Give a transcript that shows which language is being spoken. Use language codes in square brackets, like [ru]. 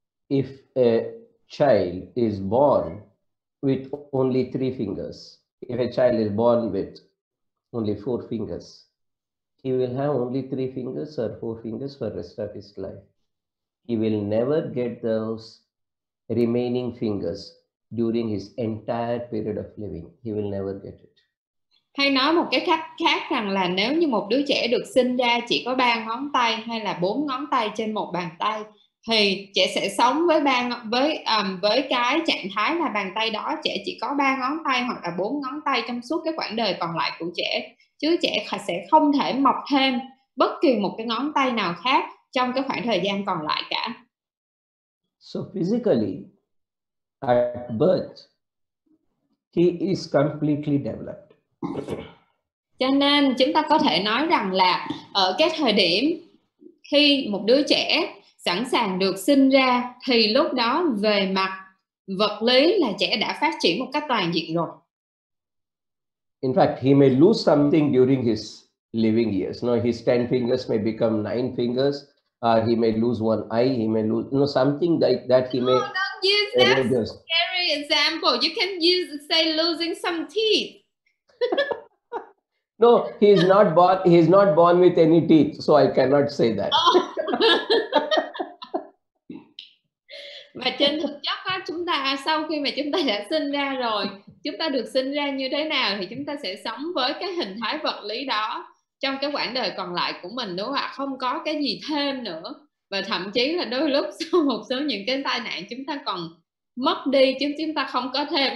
[en] If a child is born with only three fingers, if a child is born with only four fingers, he will have only three fingers or four fingers for the rest of his life. He will never get those remaining fingers during his entire period of living. He will never get it. [vi] Hay nói một cái cách khác rằng là nếu như một đứa trẻ được sinh ra chỉ có ba ngón tay hay là bốn ngón tay trên một bàn tay thì trẻ sẽ sống với ba với cái trạng thái là bàn tay đó trẻ chỉ có ba ngón tay hoặc là bốn ngón tay trong suốt cái quãng đời còn lại của trẻ, chứ trẻ sẽ không thể mọc thêm bất kỳ một cái ngón tay nào khác trong cái khoảng thời gian còn lại cả. [en] So physically at birth he is completely developed. [vi] Cho nên chúng ta có thể nói rằng là ở cái thời điểm khi một đứa trẻ sẵn sàng được sinh ra thì lúc đó về mặt vật lý là trẻ đã phát triển một cách toàn diện rồi. [en] In fact, he may lose something during his living years. Now his 10 fingers may become 9 fingers, or he may lose one eye, he may lose, you know, something like that he may. Oh, don't use that scary example. You can use, say, losing some teeth. No, he is not born. He is not born with any teeth, so I cannot say that. [vi] Và trên thực chất á, chúng ta sau khi mà chúng ta đã sinh ra rồi, chúng ta được sinh ra như thế nào thì chúng ta sẽ sống với cái hình thái vật lý đó trong cái quãng đời còn lại của mình, đúng không ạ? Không có cái gì thêm nữa, và thậm chí là đôi lúc sau một số những cái tai nạn chúng ta còn mất đi, chứ chúng ta không có thêm.